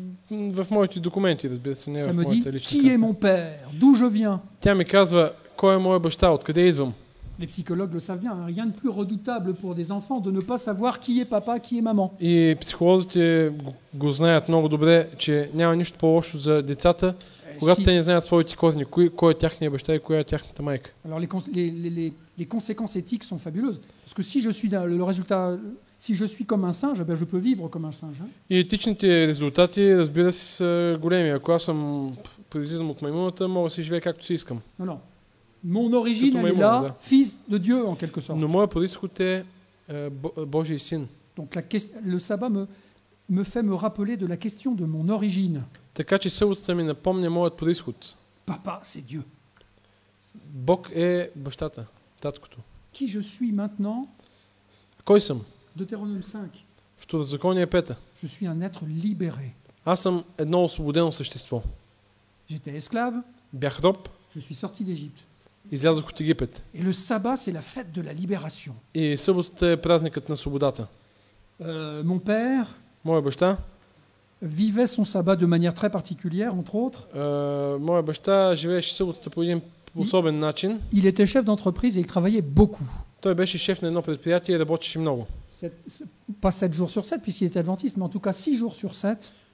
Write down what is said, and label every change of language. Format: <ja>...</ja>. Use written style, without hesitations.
<bg>В моите документи, разбира се, не в моята личната.</bg> <fr>D'où je viens?</fr> <bg>Тя ми казва, кой е моят баща, откъде идвам?</bg> <fr>Les psychologues le savent bien, rien de plus redoutable pour des enfants de ne pas savoir qui est papa, qui est maman.</fr> <bg>И психолозите го знаят много добре, че няма нищо по-лошо за децата, когато те не знаят своите корени, кой е тяхния баща и коя е тяхната майка.</bg> <fr>Alors les conséquences éthiques sont fabuleuses, parce que si je suis le résultat. Si je suis comme un singe, ben je peux vivre comme un singe.</fr> <bg>И етичните резултати, разбира се, са големи. Ако аз съм произлизам от маймуната, мога да си живея както си искам.</bg> <fr>Non, non. Mon origine est là, fils de Dieu en quelque sorte.</fr> <bg>Но моят произход е Божий син.</bg> <fr>Donc le sabbat me fait me rappeler de la question de mon origine.</fr> <bg>Така че съботата ми напомня моят произход.</bg> <fr>Папа, c'est Dieu.</fr> <bg>Бог е бащата, таткото.</bg> <fr>Qui je suis maintenant?</fr> <bg>Кой съм?</bg> <fr>Deutéronome 5.</fr> <bg>Второзаконие 5.</bg> <fr>Je suis un être libéré.</fr> <bg>Аз съм едно освободено същество.</bg> <fr>J'étais esclave.</fr> <bg>Бях роб.</bg> <fr>Je suis sorti d'Égypte.</fr> <bg>Излязох от Египет.</bg> <fr>Et le sabbat c'est la fête de la libération.</fr> <bg>И съботата е празникът на свободата.</bg> <fr>Mon père.</fr> <bg>Моя баща.</bg> <fr>Vivait son sabbat de manière très particulière, entre autres.</fr> <bg>Моя баща живееше съботата по един особен начин.</bg> <fr>Il était chef d'entreprise et il travaillait beaucoup.</fr> <bg>Той беше шеф на едно предприятие и работеше много.</bg> <fr>Pas 7 jours sur 7, puisqu'il était adventiste, mais en tout cas 6 jours sur 7.</fr>